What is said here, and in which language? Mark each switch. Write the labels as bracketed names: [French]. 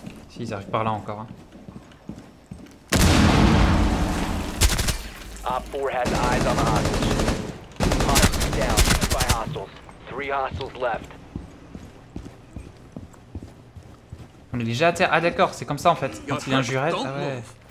[French] Si ils arrivent par là encore, hein. [English] Four has eyes on the hostage. Hostage down by hostiles. Three hostiles left. [French] On est déjà à terre. Ah d'accord, c'est comme ça en fait. Quand il injurait. Ah ouais.